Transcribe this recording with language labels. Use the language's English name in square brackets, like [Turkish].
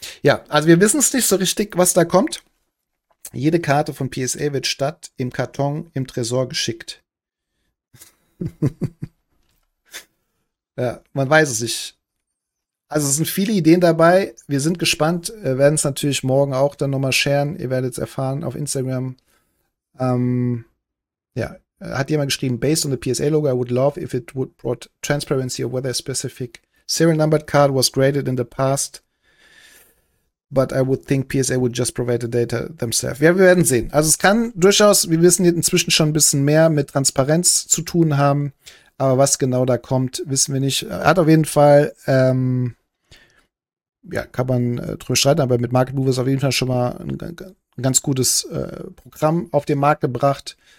[German] Ja, also wir wissen es nicht so richtig, was da kommt. Jede Karte von PSA wird statt im Karton im Tresor geschickt. Ja, man weiß es nicht. Also es sind viele Ideen dabei. Wir sind gespannt. Wir werden es natürlich morgen auch dann nochmal sharen. Ihr werdet es erfahren auf Instagram. Ja. Hat jemand geschrieben, [English] based on the PSA logo, I would love if it would brought transparency of whether a specific serial numbered card was graded in the past. But I would think PSA would just provide the data themselves. [German] Ja, wir werden sehen. Also es kann durchaus, wir wissen inzwischen schon ein bisschen mehr mit Transparenz zu tun haben. Aber was genau da kommt, wissen wir nicht. Hat auf jeden Fall, kann man drüber streiten, aber mit Market Movers auf jeden Fall schon mal ein ganz gutes Programm auf den Markt gebracht.